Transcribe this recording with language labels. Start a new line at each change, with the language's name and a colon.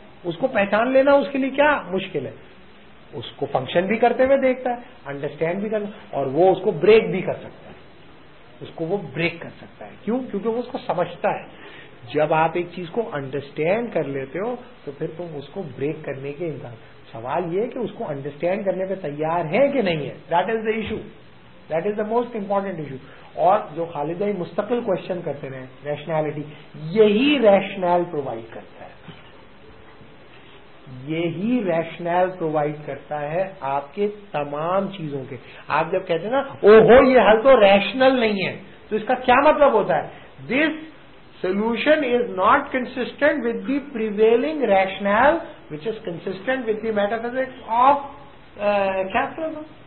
Urdu: اس کو پہچان لینا اس کے لیے کیا مشکل ہے؟ اس کو فنکشن بھی کرتے ہوئے دیکھتا ہے, انڈرسٹینڈ بھی کرتا ہے, اور وہ اس کو بریک بھی کر سکتا ہے. اس کو وہ بریک کر سکتا ہے. کیوں؟ کیونکہ وہ اس کو سمجھتا ہے. جب آپ ایک چیز کو انڈرسٹینڈ کر لیتے ہو تو پھر تم اس کو بریک کرنے کے انسان. سوال یہ ہے کہ اس کو انڈرسٹینڈ کرنے پہ تیار ہے کہ نہیں ہے.
English: That is the issue, that is the most important issue.
Urdu: اور جو خالد بھائی مستقل کوشچن کرتے رہے ریشنالٹی, یہی ریشنل پرووائڈ کرتا ہے, یہی ریشنل پرووائڈ کرتا ہے آپ کے تمام چیزوں کے. آپ جب کہتے ہیں نا او ہو یہ حل تو ریشنل نہیں ہے, تو اس کا کیا مطلب ہوتا ہے؟
English: This solution is not consistent with the prevailing rationale which is consistent with the metaphysics of capitalism.